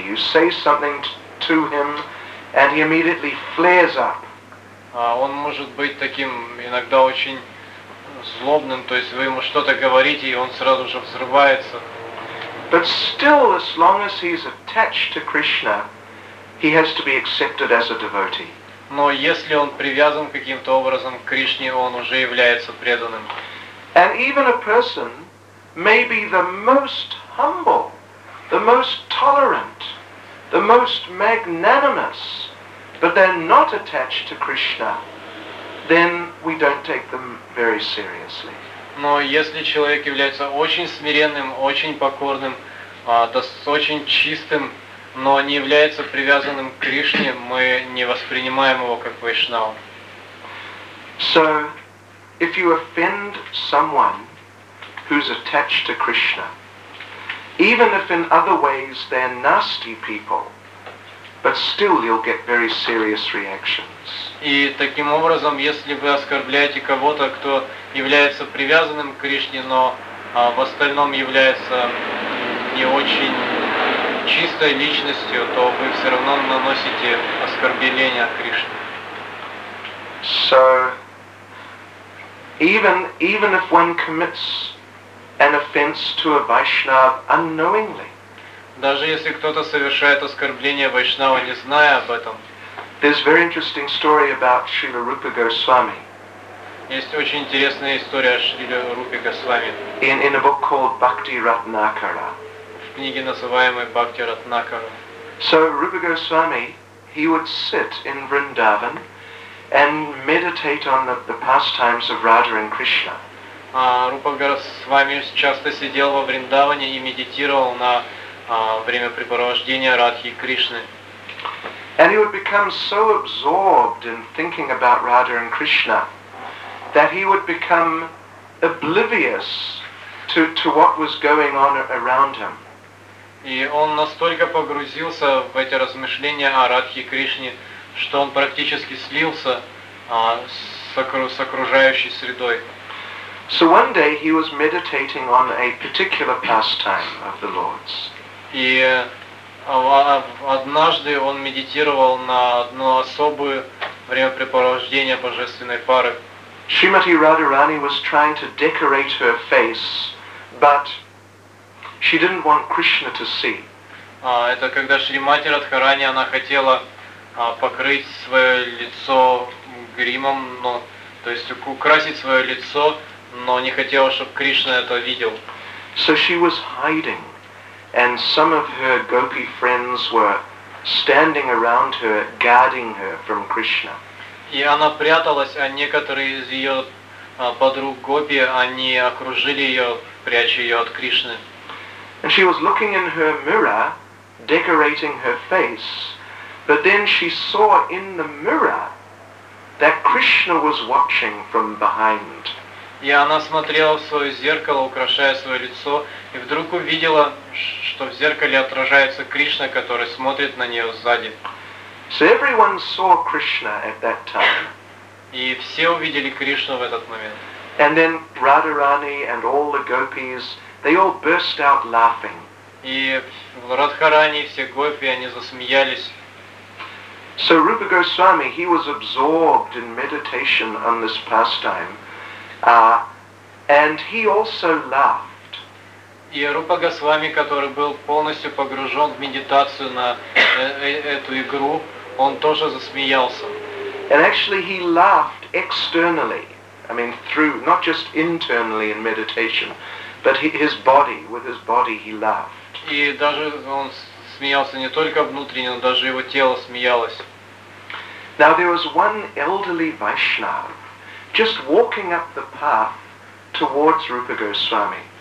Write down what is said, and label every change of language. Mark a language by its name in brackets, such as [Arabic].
[English] You say something to him, and he immediately flares up. [Russian] Он может быть таким иногда очень злобным, то есть вы ему что-то говорите, и он сразу же взрывается. [English] But still, as long as he's attached to Krishna, he has to be accepted as a devotee. [Russian] Но если он привязан каким-то образом к Кришне, он уже является преданным. [English] And even a person may be the most humble, the most tolerant, the most magnanimous, but they're not attached to Krishna, then we don't take them very seriously. [Russian] Но если человек является очень смиренным, очень покорным, очень чистым, но не является привязанным к Кришне, мы не воспринимаем его как вайшнава. [English] So, if you offend someone who's attached to Krishna, even if in other ways they're nasty people, but still you'll get very serious reactions. [Russian] И таким образом, если вы оскорбляете кого-то, кто является привязанным к Кришне, но в остальном является не очень чистой личностью, то вы все равно наносите оскорбление Кришне. [English] So, even if one commits an offense to a Vaishnava unknowingly, [Russian] Даже если кто-то совершает оскорбление вайшнава, не зная об этом. [English] There's very interesting story about Srila Rupa Goswami. [Russian] Есть очень интересная история Шрилы Рупы Госвами. [English] In a book called Bhakti Ratnakara. [Russian] В книге, называемой Бхакти Ратнакара. [English] So Rupa Goswami, he would sit in Vrindavan and meditate on the pastimes of Radha and Krishna. [Russian] Рупа Госвами часто сидел во Вриндаване и медитировал на времяпрепровождения Радхи и Кришны. [English] And he would become so absorbed in thinking about Radha and Krishna that he would become oblivious to what was going on around him. [Russian] И он настолько погрузился в эти размышления о Радхе и Кришне, что он практически слился с окружающей средой. [English] So one day he was meditating on a particular pastime of the Lord's. [Russian] И однажды он медитировал на одно особое времяпрепровождение божественной пары. [English] Shrimati Radharani was trying to decorate her face, but she didn't want Krishna to see. [Russian] Это когда Шримати Радхарани, она хотела покрыть свое лицо гримом, но, то есть украсить свое лицо, но не хотела, чтобы Кришна это видел. [English] So she was hiding. And some of her gopi friends were standing around her, guarding her from Krishna. [Russian] И она пряталась, а некоторые из ее подруг гопи, они окружили ее, пряча ее от Кришны. [English] And she was looking in her mirror, decorating her face, but then she saw in the mirror that Krishna was watching from behind. [Russian] И она смотрела в свое зеркало, украшая свое лицо, и вдруг увидела, что в зеркале отражается Кришна, который смотрит на нее сзади. [English] So everyone saw Krishna at that time. [Russian] И все увидели Кришну в этот момент. [English] And then Radharani and all the gopis, they all burst out laughing. [Russian] И в Радхарани все гопи, они засмеялись. [English] So Rupa Goswami, he was absorbed in meditation on this pastime. And he also laughed. [Russian] И Рупа Госвами, который был полностью погружен в медитацию на эту игру, он тоже засмеялся. [English] And actually he laughed externally, I mean through, not just internally in meditation, but his body, with his body he laughed. [Russian] И даже он смеялся не только внутренне, но даже его тело смеялось. [English] Now there was one elderly Vaishnava just walking up the path towards Rupa Goswami.